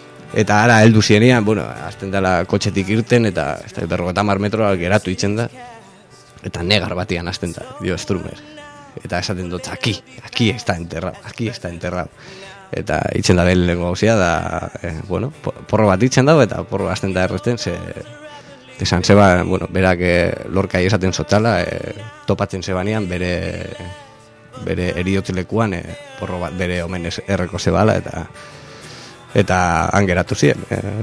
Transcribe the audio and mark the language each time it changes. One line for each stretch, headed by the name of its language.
Basque: Eta ara heldu zienean, bueno, hasten dala kotxetik irten, eta ez da, 50 metro geratu itzen da, eta negar batian hasten da, dio Strummer. Eta esaten dut,
Spanish: aquí está enterrado, aquí está enterrado.
Basque: Eta itzen da behin lehenko gauzia, da, bueno, porro bat itzen da, eta porro hasten da erresten, ze, esan zeba, bueno, berak Lorcai esaten zotala, topatzen zebanean, bere eriotilekuan, porro bat bere omenez erreko zebala, eta han geratu ziren.